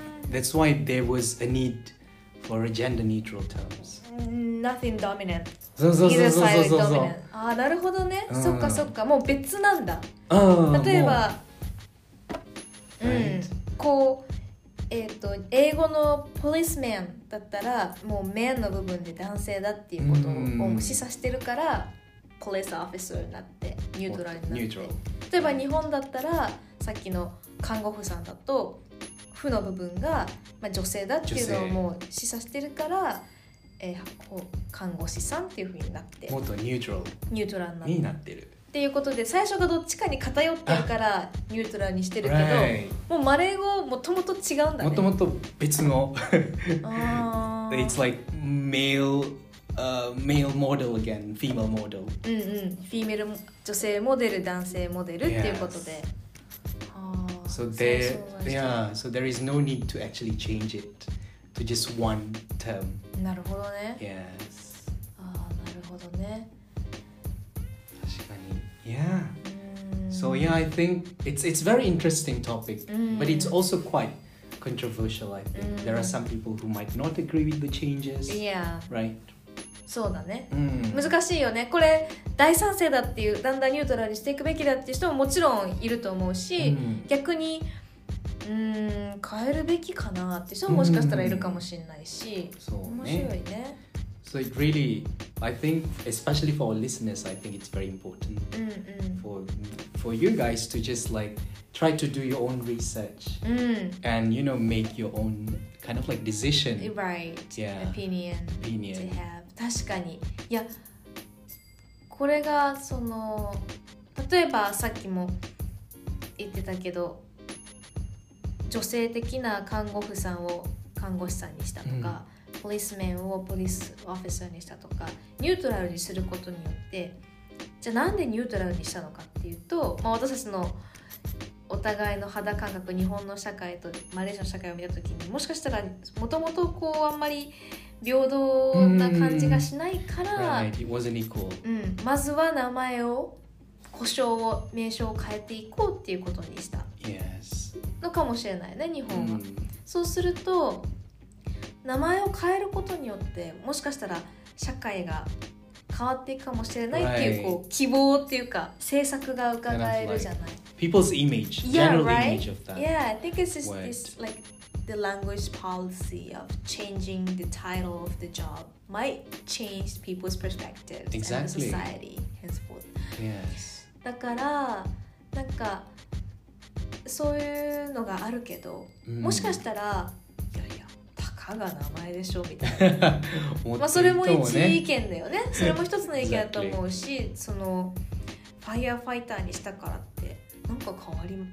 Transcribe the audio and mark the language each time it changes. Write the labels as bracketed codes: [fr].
[en] That's why there was a need for a gender neutral terms. Nothing dominant. [ja] そうそうそうそうそうそうそう。ああ、なるほどね。そっかそっか、もう別なんだ。例えば、こう、英語の policeman だったら、もう man の部分で男性だっていうことを示唆してるから、police officer になって、ニュートラルになって。例えば日本だったら、さっきの看護婦さんだと、婦の部分が、まあ、女性だっていうのをもう示唆してるから、看護師さんっていう風になってもっとニュートラルニュートラルになってるっていうことで最初がどっちかに偏ってるからニュートラルにしてるけど、 [en] right. [ja] もうマレー語もともと違うんだねもともと別のああ [en] It's like male, male model again female model [ja] うんうんフィメル女性モデル男性モデルっていうことで、 [en] yes. yeah, so there is no need to actually change itto just one term. [ja] なるほどね。 [en] Yes. [ja] ああ、なるほどね。確かに。Yeah. [en] So yeah, I think it's very interesting topic, but it's also quite controversial. I think there are some people who might not agree with the changes. Yeah. Right. [ja] そうだね。難しいよね。これ大賛成だっていうだんだんニュートラルにしていくべきだっていう人ももちろんいると思うし、逆に。変えるべきかなって人ももしかしたらいるかもしれないし、そうね、面白いね。 [en] So it really, I think, especially for our listeners, I think it's very important for you guys to just like try to do your own research and you know make your own kind of like decision, right? Yeah, opinion to have. [ja] 確かに、いや、これがその例えばさっきも言ってたけど。女性的な看護婦さんを看護師さんにしたとか、ポリスメンをポリスオフィサーにしたとか、ニュートラルにすることによって、じゃあなんでニュートラルにしたのかっていうと、まあ、私たちのお互いの肌感覚、日本の社会とマレーシアの社会を見たときに、もしかしたらもともとこうあんまり平等な感じがしないから、 [en] Right. It wasn't equal. [ja] まずは名前を、呼称を、名称を変えていこうっていうことにした。 [en] Yes. [ja] のかもしれないね日本は、そうすると名前を変えることによってもしかしたら社会が変わっていくかもしれないっていう、こう希望っていうか政策が伺えるじゃない、 [en] like、people's image general image of that yeah I think it's like the language policy of changing the title of the job might change people's perspectives exactly and society henceforth yes [ja] だからなんかそういうのがあるけど、もしかしたら、いやいや、たかが名前でしょみたいな。まあそれも一意見だよね。それも一つの意見だと思うし、 [en] exactly. [ja] そのファイアファイターにしたからってなんか変わりも